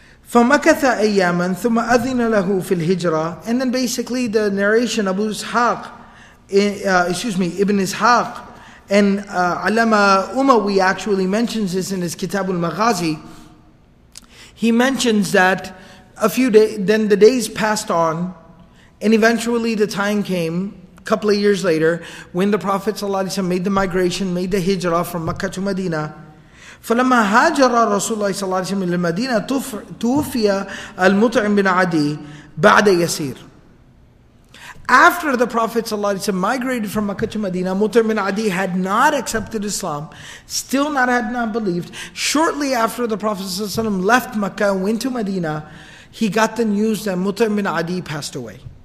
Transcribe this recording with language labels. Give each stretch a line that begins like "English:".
Arabic: فَمَكَثَ أَيَّامًا ثُمَّ أَذِنَ لَهُ فِي الْهِجْرَةِ
English: And then basically the narration, Abu Ishaq, Ibn Ishaq, and Allama Umawi actually mentions this in his Kitab al-Maghazi. He mentions that a few days, then the days passed on, and eventually the time came, a couple of years later, when the Prophet ﷺ made the migration, made the hijrah from Makkah to Medina,
Arabic: فلما هاجر رسول الله صلى الله عليه وسلم للمدينة توفي المطعم بن عدي بعد يسير.
English: After the Prophet ﷺ migrated from Makkah to Medina, Mut'im bin Adi had not accepted Islam, still not had not believed. Shortly after the Prophet ﷺ left Makkah and went to Medina, he got the news that Mut'im bin Adi passed away.